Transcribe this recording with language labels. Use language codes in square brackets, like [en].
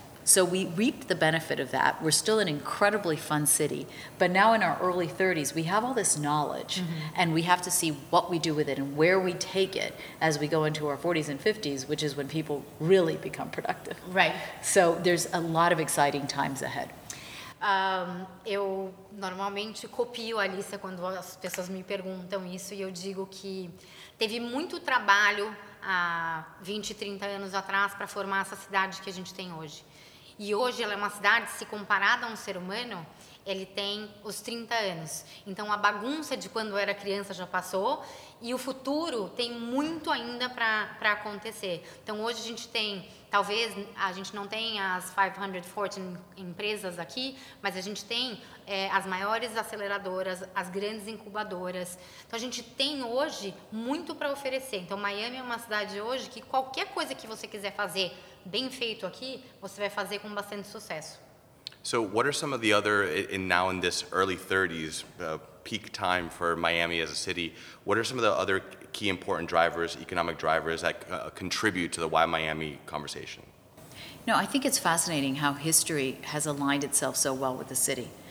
[en] So we reaped the benefit of that. We're still an incredibly fun city, but now in our early 30s, we have all this knowledge, mm-hmm, and we have to see what we do with it and where we take it as we go into our 40s and 50s, which is when people really become productive. Right. So there's a lot of exciting times ahead. [pt] Eu normalmente copio a Alicia quando as pessoas me perguntam isso, e eu digo que teve muito trabalho há 20, 30 anos atrás para formar essa cidade que a gente tem hoje. E hoje ela é uma cidade, se comparada a um ser humano, ele tem os 30 anos. Então, a bagunça de quando era criança já passou e o futuro tem muito ainda para acontecer. Então, hoje a gente tem, talvez a gente não tenha as 500 Fortune empresas aqui, mas a gente tem as maiores aceleradoras, as grandes incubadoras. Então, a gente tem hoje muito para oferecer. Então, Miami é uma cidade hoje que qualquer coisa que você quiser fazer bem feito aqui, você vai fazer com bastante sucesso. [en] So what are some of the other, in this early 30s, peak time for Miami as a city, what are some of the other key important drivers, economic drivers that contribute to the Why Miami conversation? No, I think it's fascinating how history has aligned itself so well with the city.